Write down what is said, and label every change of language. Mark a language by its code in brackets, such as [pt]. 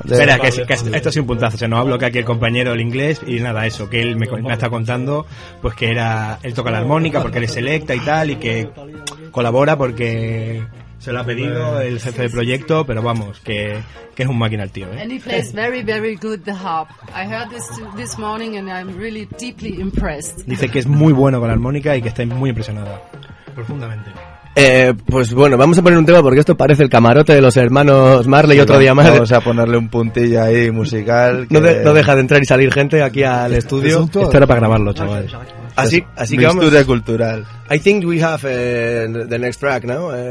[es] Espera, que esto es un puntazo. O sea, nos habló que aquí el compañero el inglés y nada, eso, que él me está contando, pues que era. Él toca la armónica porque él es selecta y tal, y que colabora porque se lo ha pedido el jefe de proyecto, pero vamos, que es un máquina el tío, ¿eh? [en] And he plays very, very good the harp. I heard this morning and I'm really deeply impressed. [es] Dice que es muy bueno con la armónica y que está muy impresionada. Profundamente. Pues bueno, vamos a poner un tema porque esto parece el camarote de los hermanos Marley y sí, otro día más. Vamos a ponerle un puntillo ahí musical. Que... No deja de entrar y salir gente aquí al estudio. Esto era para grabarlo, chavales. Así que vamos. Estudio cultural. [en] I think we have the next track, ¿no?